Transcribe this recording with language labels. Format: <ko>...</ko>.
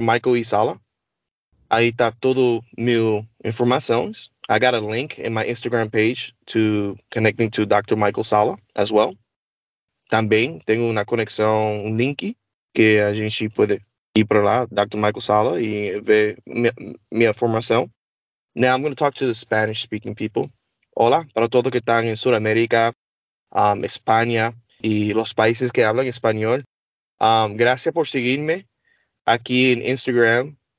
<pt>Michael Isala. Aí tá todo meu informações.</pt> <en>I got a link in my Instagram page to connecting to Dr. Michael Sala as well.</en> <pt>Também tenho uma conexão, um link que a gente pode ir para lá, Dr. Michael Sala, e ver minha formação.</pt> <en>Now I'm going to talk to the Spanish speaking people.</en> <es>Hola para todo que están en Sudamérica, España y los países que hablan español. Gracias por seguirme aquí en Instagram.</es>